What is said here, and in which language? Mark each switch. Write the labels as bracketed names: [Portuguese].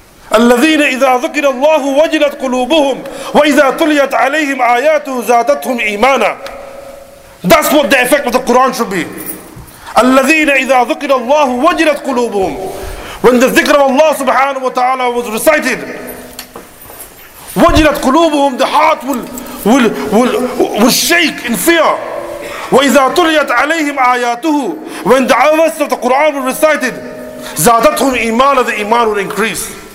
[Arabic] الذين إذا ذكر الله وجلت قلوبهم وإذا تليت عليهم آياته زادتهم إيمانا. [English] That's what the effect of the Quran should be. [Arabic] الذين إذا ذكر الله وجلت قلوبهم. [English] When the ذكر of Allah subhanahu wa ta'ala was recited, [Arabic] وجلت قلوبهم, [English] the heart will shake in fear. [Arabic] وإذا تليت عليهم آياته, [English] when the verses of the Quran were recited, [Arabic] زادتهم إيمانا, [English] the iman will increase.